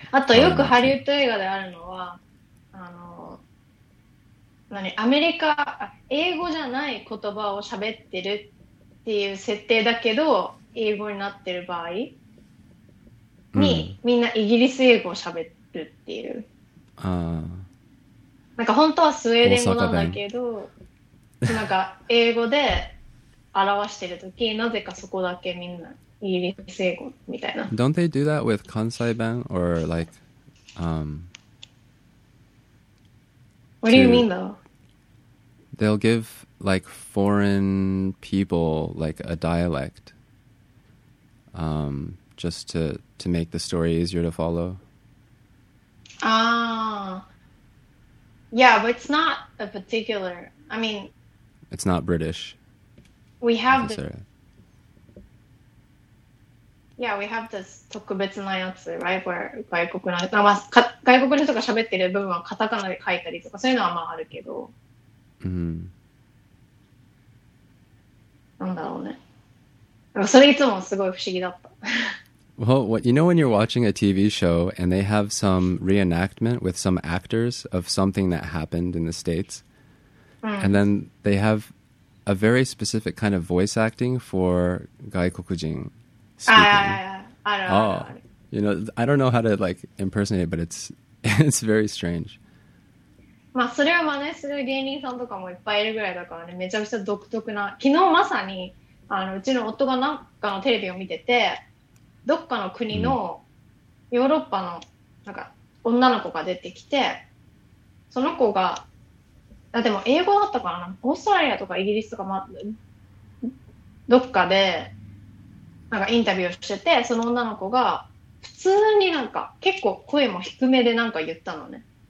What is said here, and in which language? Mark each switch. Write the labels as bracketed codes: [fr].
[ja] あとよくハリウッド映画であるのは、何、アメリカ、英語じゃない言葉を喋ってるっていう設定だけど、英語になってる場合に、みんなイギリス英語を喋るっていう。なんか本当はスウェーデン語なんだけど、なんか英語で表してるとき、なぜかそこだけみんなイギリス英語みたいな。 [en] Don't they do that with 関西弁 or like, What do you mean though? They'll give like foreign people like a dialect, just to make the story easier to follow. Yeah, but it's not a particular, I mean, it's not British. We have the, yeah, we have this [ja] 特別なやつ [en] right? [ja] Where 外国の人が喋ってる部分はカタカナで書いたりとか、そういうのはまああるけど。なんだろうね。それいつもすごい不思議だった。 [en] Well, what, you know when you're watching a TV show and they have some reenactment with some actors of something that happened in the States, and then they have a very specific kind of voice acting for 外国人 speaking. I don't know. You know, I don't know how to like impersonate it, but it's very strange. [ja] まあそれは真似する芸人さんとかもいっぱいいるぐらいだからね、めちゃくちゃ独特な。昨日まさにあのうちの夫がなんかのテレビを見てて、どっかの国のヨーロッパのなんか女の子が出てきて、その子が、あ、でも英語だったかな、オーストラリアとかイギリスとか、ま、どっかでなんかインタビューをしてて、その女の子が普通になんか結構声も低めでなんか言ったのね。